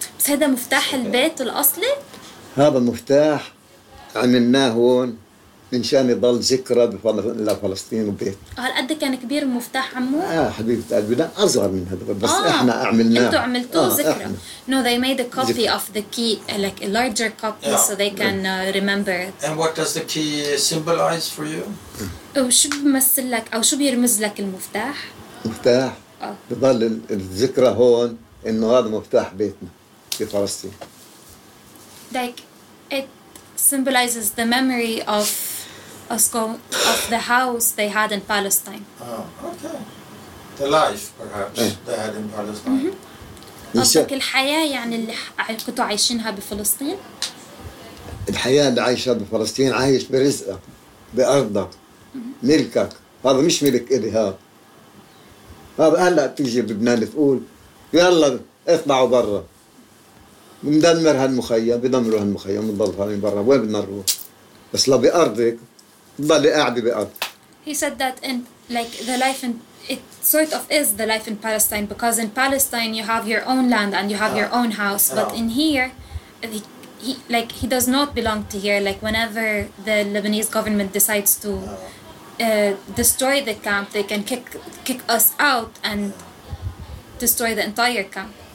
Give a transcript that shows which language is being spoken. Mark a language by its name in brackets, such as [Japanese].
[Arabic] بس هذا مفتاح البيت الأصلي؟ هذا مفتاح عملناه هون من شان يضل ذكرى لفلسطين وبيت. هل قد كان كبير المفتاح عمو؟ حبيبة قلبي لا أصغر من هذا بس احنا عملناه. انتوا عملتوه ذكرى. [English] No, they made a copy of the key, like a larger copy so they can remember it. And what does the key symbolize for you? [Arabic] وشو بيمثل لك او شو بيرمز لك المفتاح؟ مفتاح بضل الذكرى هون انه هذا مفتاح بيتنا في فلسطين. [English] Like it symbolizes the memory of us of the house they had in Palestine. Oh, okay. The life perhaps they had in Palestine. [Arabic] قصدك الحياة يعني اللي كنتوا عايشينها بفلسطين؟ الحياة اللي عايشها بفلسطين عايش برزقك بأرضك ملكك هذا مش ملك إلي هذا هلا تيجي لبنان تقول يلا اطلعوا برا مدمر هالمخيم بدمروا هالمخيم بنضل هالين برا وين بدنا نروح بس لو بأرضك بضلي قاعدة بأرض. [English] He said that in like the life in it sort of is the life in Palestine because in Palestine you have your own land and you have your own house but in here he like he does not belong to here like whenever the Lebanese government decides to destroy the camp they can kick us out and destroy the entire camp.